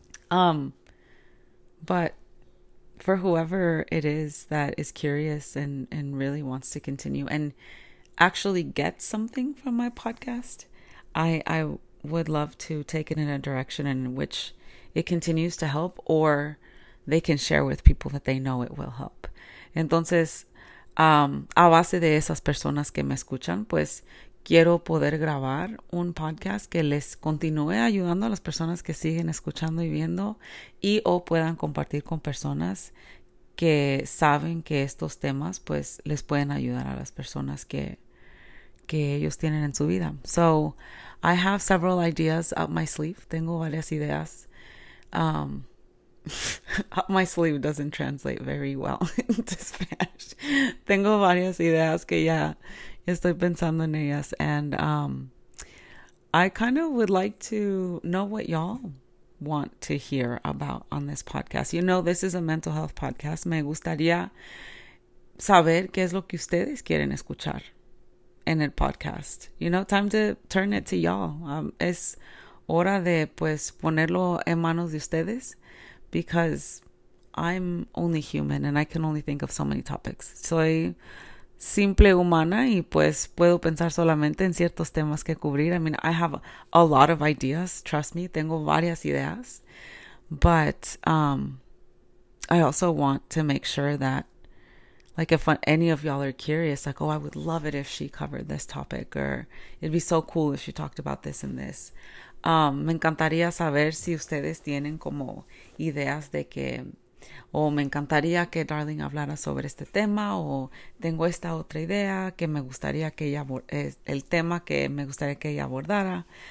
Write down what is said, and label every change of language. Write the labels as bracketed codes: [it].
[en] But for whoever it is that is curious and really wants to continue and actually get something from my podcast, I would love to take it in a direction in which it continues to help, or they can share with people that they know it will help. [es] Entonces, a base de esas personas que me escuchan, pues quiero poder grabar un podcast que les continúe ayudando a las personas que siguen escuchando y viendo y o puedan compartir con personas que saben que estos temas pues les pueden ayudar a las personas que que ellos tienen en su vida. [en] So I have several ideas up my sleeve. [es] Tengo varias ideas. [en] Up my sleeve doesn't translate very well into Spanish. [es] Tengo varias ideas que ya estoy pensando en ellas. [en] And I kind of would like to know what y'all want to hear about on this podcast. You know, this is a mental health podcast. [es] Me gustaría saber qué es lo que ustedes quieren escuchar en el podcast. [en] You know, time to turn it to y'all. [es] Es hora de, pues, ponerlo en manos de ustedes, [en] because I'm only human and I can only think of so many topics. [es] Soy simple humana y, pues, puedo pensar solamente en ciertos temas que cubrir. [en] I mean, I have a lot of ideas. Trust me, [es] tengo varias ideas. [en] But I also want to make sure that, like, if any of y'all are curious, like, oh, I would love it if she covered this topic, or it'd be so cool if she talked about this and this. [es] Me encantaría saber si ustedes tienen como ideas de que, o me encantaría que Darling hablara sobre este tema, o tengo esta otra idea que me gustaría que ella, el tema que me gustaría que ella abordara.